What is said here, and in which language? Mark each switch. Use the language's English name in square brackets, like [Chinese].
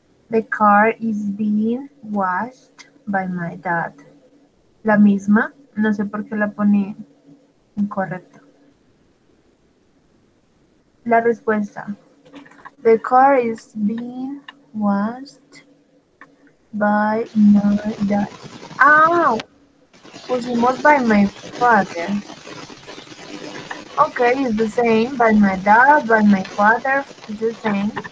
[English] The car is being washed by my dad. [Spanish] La misma, no sé por qué la pone incorrecto. La respuesta. [English] The car is being washed by my dad. Ah, [Spanish] pusimos [English] by my father. Okay, it's the same. By my dad, by my father, it's the same.